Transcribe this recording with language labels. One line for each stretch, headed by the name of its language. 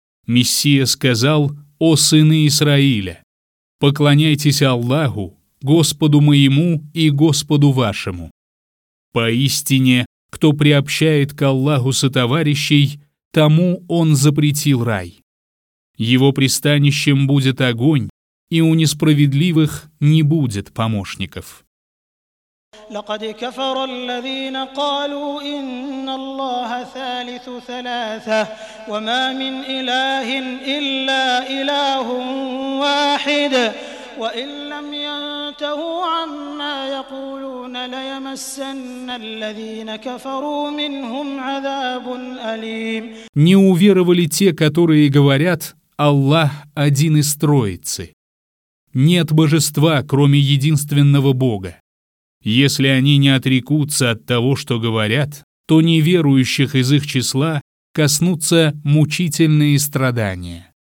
Russian: Мессия сказал: «О сыны Израиля, поклоняйтесь Аллаху, Господу моему и Господу вашему. Поистине, кто приобщает к Аллаху сотоварищей, тому он запретил рай. Его пристанищем будет огонь, и у несправедливых не будет помощников».
Arabic: لقد كفر الذين قالوا إن الله ثالث ثلاثة وما من إله إلا إله واحد وإن لم ينتهوا عما يقولون ليمسن الذين كفروا منهم عذاب أليم.
Russian: Не уверовали те, которые говорят: «Аллах один из Троицы». Нет божества, кроме единственного Бога. Если они не отрекутся от того, что говорят, то неверующих из их числа коснутся мучительные страдания.